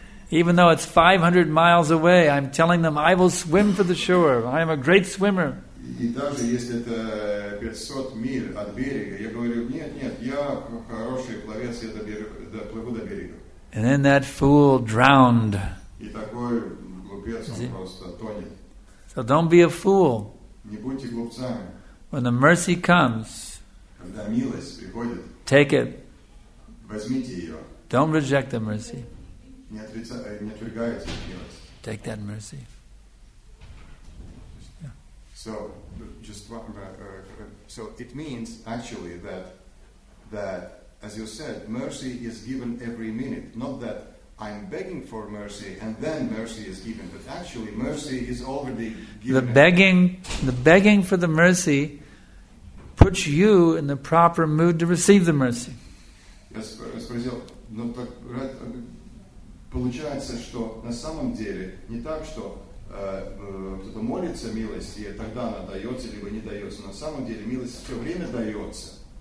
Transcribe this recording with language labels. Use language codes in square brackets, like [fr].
[en] Even though it's 500 miles away, I'm telling them, I will swim for the shore. I am a great swimmer. [ru] И даже если это 500 миль от берега, я говорю: "Нет, нет, я хороший пловец, я доплыву до берега." [en] And then that fool drowned. [ru] И такой глупец, он просто тонет. [en] So don't be a fool. [ru] Не будьте глупцами. [en] When the mercy comes, [ru] Когда милость приходит, [en] take it. [ru] Возьмите ее. [en] Don't reject the mercy. [ru] Не отрицайте, не отвергайте милость. [en] Take that mercy. So, just so it means actually that as you said, mercy is given every minute. Not that I'm begging for mercy and then mercy is given, but actually mercy is already given. The begging for the mercy puts you in the proper mood to receive the mercy. Yes, [ru] но так получается, что на самом деле не так, что кто-то молится милости, и тогда она дается, либо не дается. На самом деле милость все время дается.